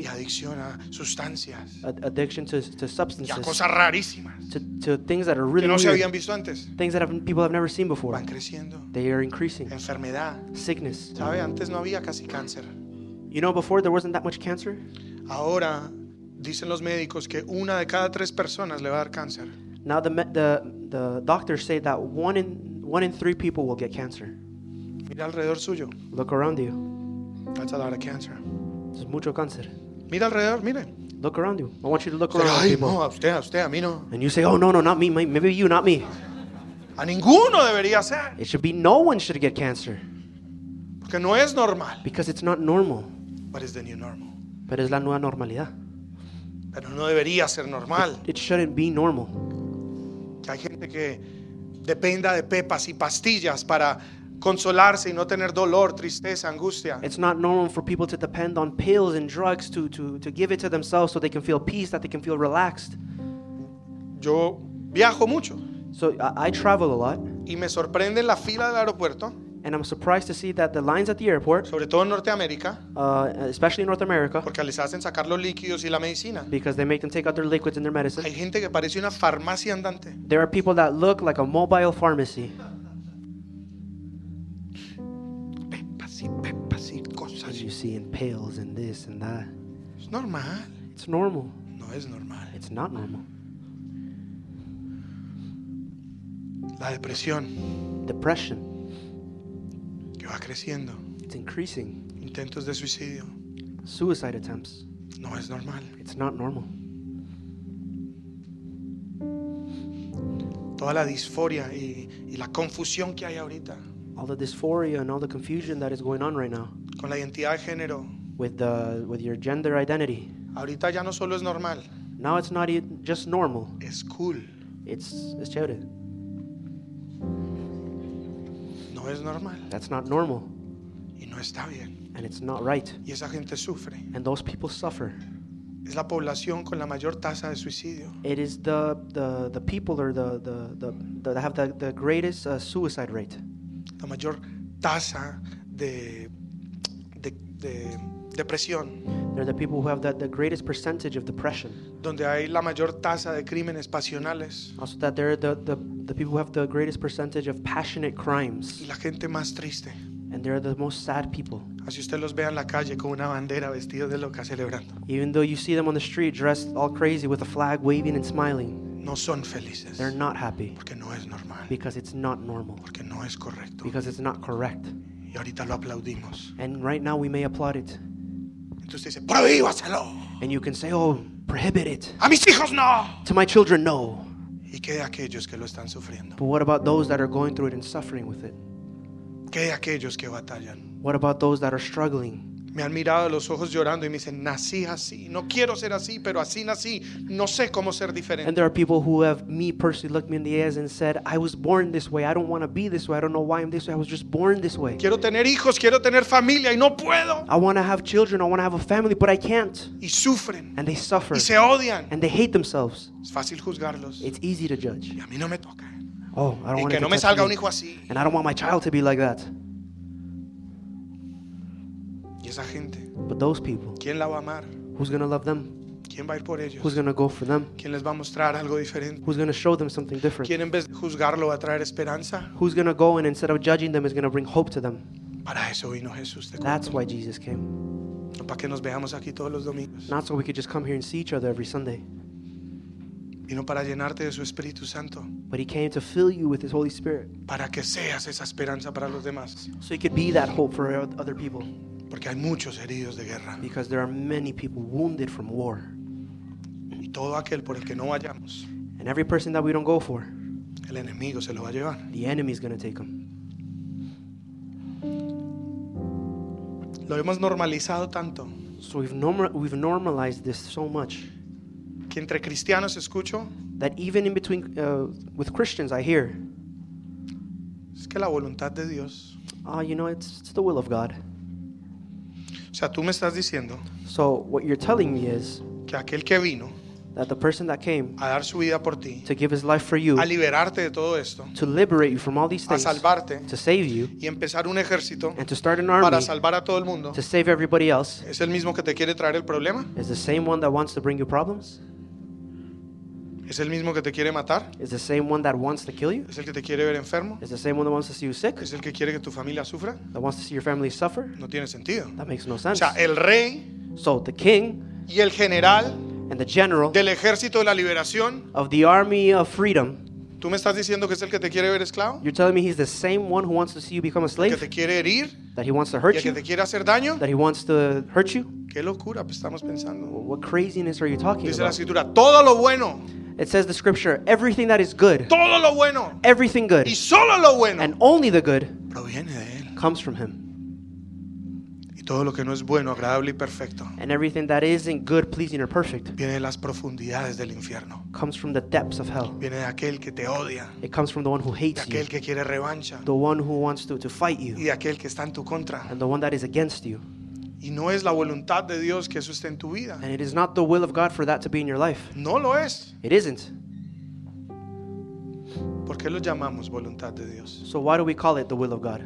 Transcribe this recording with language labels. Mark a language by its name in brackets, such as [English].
[Spanish] Y adicción a sustancias. [English] Addiction to substances. [Spanish] Y a cosas rarísimas. [English] To things that are really [Spanish] que no [English] weird. [Spanish] Se habían visto antes. [English] Things that people have never seen before. [Spanish] Van creciendo. [English] They are increasing. [Spanish] Enfermedad. [English] Sickness. [Spanish] ¿Sabe? Antes no había casi cáncer. [English] You know, before there wasn't that much cancer. [Spanish] Ahora dicen los médicos que una de cada tres personas le va a dar cáncer. [English] Now the doctors say that one in three people will get cancer. [Spanish] Mira alrededor suyo. [English] Look around you. That's a lot of cancer. [Spanish] Es mucho cáncer. Mira alrededor, mire. [English] Look around you. I want you to look [Spanish] usted, [English] around ay, people. [Spanish] No, a usted, a mí no. [English] And you say, oh no, not me. Maybe you, not me. [Spanish] A ninguno debería ser. [English] It should be no one should get cancer. [Spanish] Que no es normal. [English] Because it's not normal. But it's the new normal. [Spanish] Pero es la nueva normalidad. Pero no debería ser normal. [English] It shouldn't be normal. [Spanish] Que hay gente que dependa de pepas y pastillas para consolarse y no tener dolor, tristeza, angustia. [English] It's not normal for people to depend on pills and drugs to give it to themselves so they can feel peace, that they can feel relaxed. [Spanish] Yo viajo mucho. [English] So I travel a lot. [Spanish] Y me sorprende la fila del aeropuerto. [English] And I'm surprised to see that the lines at the airport, [Spanish] sobre todo en Norteamérica, [English] especially in North America, [Spanish] porque les hacen sacar los líquidos y la medicina, [English] because they make them take out their liquids and their medicine. [Spanish] Hay gente que parece una farmacia andante. [English] There are people that look like a mobile pharmacy. [Spanish] Pepas y cosas. [English] You see in pills and this and that. It's normal. It's normal. [Spanish] No es normal. [English] It's not normal. [Spanish] La depresión. [English] Depression. [Spanish] Va creciendo. [English] It's increasing. [Spanish] Intentos de suicidio. [English] Suicide attempts. [Spanish] No es normal. [English] It's not normal. [Spanish] Toda la disforia y la confusión que hay ahorita. [English] All the dysphoria and all the confusion that is going on right now. [Spanish] Con la identidad de género. [English] With your gender identity. [Spanish] Ahorita ya no solo es normal. [English] Now it's not just normal. [Spanish] Es cool. [English] It's chévere. [Spanish] Es normal. [English] That's not normal. [Spanish] Y no está bien. [English] And it's not right. [Spanish] Y esa gente sufre. [English] And those people suffer. [Spanish] Es la población con la mayor tasa de suicidio. [English] It is the people or the that have the greatest suicide rate. [Spanish] La mayor tasa de depresión. [English] They're the people who have the greatest percentage of depression. [Spanish] Donde hay la mayor tasa de crímenes pasionales. [English] Also that they're the people who have the greatest percentage of passionate crimes. [Spanish] Y la gente más triste. [English] And they're the most sad people. [Spanish] Así usted los ve en la calle con una bandera vestido de loca celebrando. [English] Even though you see them on the street dressed all crazy with a flag waving and smiling. [Spanish] No son felices. [English] They're not happy. [Spanish] Porque no es normal. [English] Because it's not normal. [Spanish] Porque no es correcto. [English] Because it's not correct. [Spanish] Y ahorita lo aplaudimos. [English] And right now we may applaud it. [Spanish] Entonces dice, prohíbaselo. [English] And you can say, oh, prohibit it. [Spanish] A mis hijos no. [English] To my children, no. [Spanish] ¿Y qué de aquellos que lo están sufriendo? [English] But what about those that are going through it and suffering with it? [Spanish] ¿Qué de aquellos que batallan? [English] What about those that are struggling? [Spanish] Me han mirado a los ojos llorando y me dicen, nací así. No quiero ser así, pero así nací. No sé cómo ser diferente. [English] And there are people who have me personally looked me in the eyes and said, I was born this way. I don't want to be this way. I don't know why I'm this way. I was just born this way. [Spanish] Quiero tener hijos, quiero tener familia y no puedo. [English] I want to have children, I want to have a family, but I can't. [Spanish] Y sufren. [English] And they suffer. [Spanish] Y se odian. [English] And they hate themselves. [Spanish] Es fácil juzgarlos. [English] It's easy to judge. [Spanish] Y a mí no me toca. [English] Oh, I don't [Spanish] y [English] want [Spanish] que [English] it [Spanish] no [English] to [Spanish] me salga [English] me. [Spanish] Un hijo así. [English] And I don't want my child to be like that. [Spanish] Y esa gente. [English] But those people. [Spanish] ¿Quién la va a amar? [English] Who's going to love them? [Spanish] ¿Quién va a ir por ellos? [English] Who's going to go for them? [Spanish] ¿Quién les va a mostrar algo diferente? [English] Who's going to show them something different? [Spanish] ¿Quién en vez de juzgarlo va a traer esperanza? [English] Who's going to go and instead of judging them is going to bring hope to them? [Spanish] Para eso vino Jesús. [English] That's why Jesus came. [Spanish] Para que nos veamos aquí todos los domingos. [English] Not so we could just come here and see each other every Sunday. [Spanish] Vino para llenarte de su Espíritu Santo. [English] But he came to fill you with his Holy Spirit. [Spanish] Para que seas esa esperanza para los demás. [English] So you could be that hope for other people. [Spanish] Porque hay muchos heridos de guerra. [English] Because there are many people wounded from war. [Spanish] Y todo aquel por el que no vayamos. [English] And every person that we don't go for. [Spanish] El enemigo se lo va a llevar. [English] The enemy is going to take him. [Spanish] Lo hemos normalizado tanto. [English] So we've normalized this so much. [Spanish] Que entre cristianos escucho. [English] That even in between with Christians I hear. [Spanish] Es que la voluntad de Dios. [English] You know, it's the will of God. [Spanish] O sea, tú me estás diciendo. [English] So what you're telling me is. [Spanish] Que aquel que vino. [English] That the person that came. [Spanish] A dar su vida por ti. [English] To give his life for you. [Spanish] A liberarte de todo esto. [English] To liberate you from all these things. [Spanish] A salvarte. [English] To save you. [Spanish] Y empezar un ejército. [English] And to start an army. [Spanish] Para salvar a todo el mundo. [English] To save everybody else. [Spanish] Es el mismo que te quiere traer el problema. [English] Is the same one that wants to bring you problems. [Spanish] ¿Es el mismo que te quiere matar? [English] Is the same one that wants to kill you? [Spanish] ¿Es el que te quiere ver enfermo? [English] Is the same one that wants to see you sick? [Spanish] ¿Es el que quiere que tu familia sufra? [English] That wants to see your family suffer? [Spanish] No tiene sentido. [English] That makes no sense. [Spanish] O sea, el rey, [English] so the king, [Spanish] y el general, [English] and the general [Spanish] del ejército de la liberación, [English] of the army of freedom. [Spanish] ¿Tú me estás diciendo que es el que te quiere ver esclavo? [English] You're telling me he's the same one who wants to see you become a slave? [Spanish] ¿El que te quiere herir? [English] That he wants to hurt [Spanish] y el [English] you? [Spanish] ¿Que te quiere hacer daño? [English] That he wants to hurt you? [Spanish] ¿Qué locura estamos pensando? [English] What craziness are you talking [Spanish] Dice [English] about? [Spanish] La escritura, todo lo bueno. [English] It says the scripture, everything that is good, [Spanish] todo lo bueno, [English] everything good, [Spanish] y solo lo bueno, [English] and only the good [Spanish] proviene de él. [English] Comes from him. [Spanish] Y todo lo que no es bueno, agradable y perfecto, [English] and everything that isn't good, pleasing, or perfect [Spanish] viene de las profundidades del infierno. [English] Comes from the depths of hell. [Spanish] Viene de aquel que te odia. [English] It comes from the one who hates [Spanish] de aquel [English] you. [Spanish] Que quiere revancha. [English] The one who wants to fight you. [Spanish] Y de aquel que está en tu contra. [English] And the one that is against you. [Spanish] Y no es la voluntad de Dios que eso esté en tu vida. [English] And it is not the will of God for that to be in your life. [Spanish] No lo es. [English] It isn't. [Spanish] ¿Por qué lo llamamos voluntad de Dios? [English] So why do we call it the will of God?